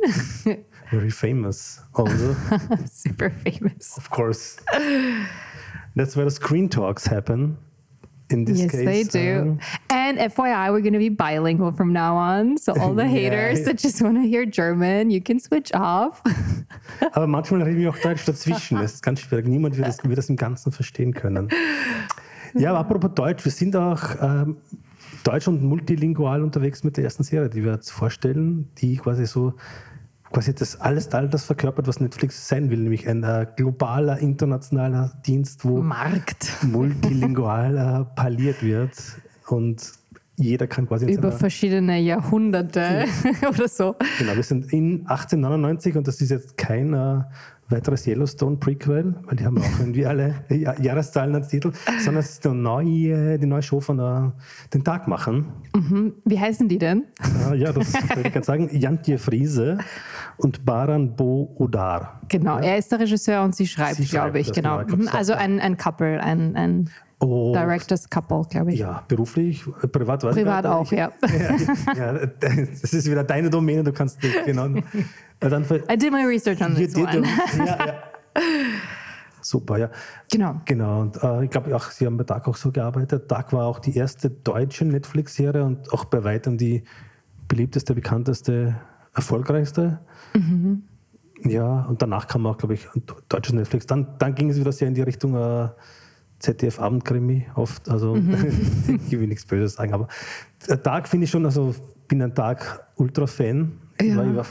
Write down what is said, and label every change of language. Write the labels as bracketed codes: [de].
[en] Favorite. Very famous, also. Super famous. Of course. That's where the screen talks happen. In this yes, case, they do. And FYI, we're going to be bilingual from now on. So all the haters that just want to hear German, you can switch off. [de] Aber manchmal reden wir auch Deutsch dazwischen. Das ist ganz schwierig. Niemand wird das im Ganzen verstehen können. Ja, aber apropos Deutsch. Wir sind auch deutsch und multilingual unterwegs mit der ersten Serie, die wir jetzt vorstellen, die quasi so quasi das alles all das verkörpert, was Netflix sein will, nämlich ein globaler, internationaler Dienst, wo Markt multilingual parliert wird und jeder kann quasi über verschiedene Jahrhunderte oder so. Genau, wir sind in 1899 und das ist jetzt kein weiteres Yellowstone-Prequel, weil die haben auch irgendwie alle Jahreszahlen als Titel, sondern es ist die neue Show von den Tag machen. Mhm. Wie heißen die denn? Ja, das würde ich ganz sagen. Jantje Friese und Baran Bo-Odar. Genau, ja. Er ist der Regisseur und sie schreibt glaube ich. Genau. Genau. Also ein Couple, ein Oh, Directors Couple, glaube ich. Ja, beruflich, privat weiß privat ich auch, ja. Das ist wieder deine Domäne, du kannst dich genau. [en] Dann I did my research on this one. [de] Ja. Super, ja. Genau. Genau, und ich glaube, sie haben bei Dark auch so gearbeitet. Dark war auch die erste deutsche Netflix-Serie und auch bei weitem die beliebteste, bekannteste, erfolgreichste. Mhm. Ja, und danach kam auch, glaube ich, deutsches Netflix. Dann ging es wieder sehr in die Richtung ZDF-Abendkrimi oft, also ich will nichts Böses sagen, aber Dark finde ich schon, also bin ein Dark-Ultra-Fan. Ja.